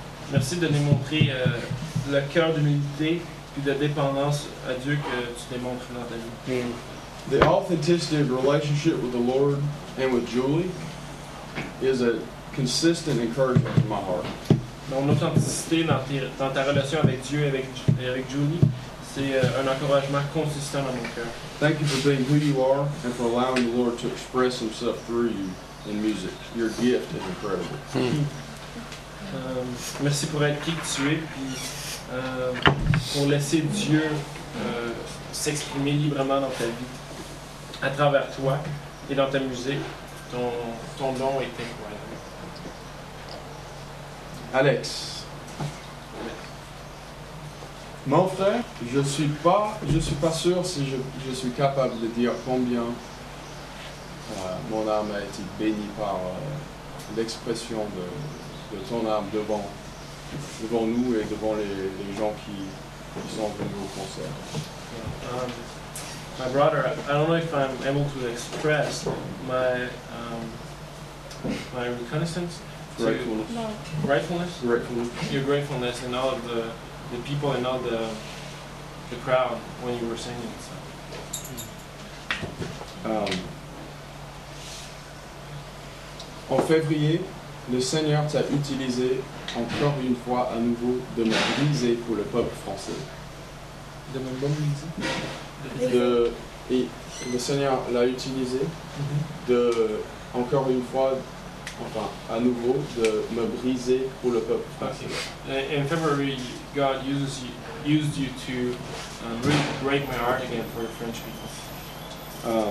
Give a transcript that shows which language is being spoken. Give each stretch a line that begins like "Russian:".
French: Merci de démontrer le cœur d'humilité puis de dépendance à Dieu que tu démontres dans ta vie. Mm-hmm.
English: The authenticity of relationship with the Lord and with Julie is a consistent encouragement to my heart.
French: Mon authenticité dans ta relation avec Dieu et avec Julie, c'est un encouragement consistant dans mon cœur.
English: Thank you for being who you are and for allowing the Lord to express Himself through you in music. Your gift is incredible.
French: Merci pour être qui tu es, puis pour laisser Dieu s'exprimer librement dans ta vie, à travers toi et dans ta musique. Ton nom est incroyable. Alex. Mon frère, je suis pas sûr si je suis capable de dire combien mon âme a été bénie par l'expression de ton âme devant nous et devant les gens qui sont venus au concert.
English: My brother, I don't know if I'm able to express my reconnaissance. Gratefulness. Your gratefulness and all of the people and all the crowd when you were singing. So.
French: En février, le Seigneur t'a utilisé encore une fois à nouveau de mobiliser pour le peuple français. De me mobiliser. Et le Seigneur l'a utilisé de encore une fois. Enfin, à nouveau, de me briser pour le peuple français.
English: Okay. In February, God used you to break my heart again for French people.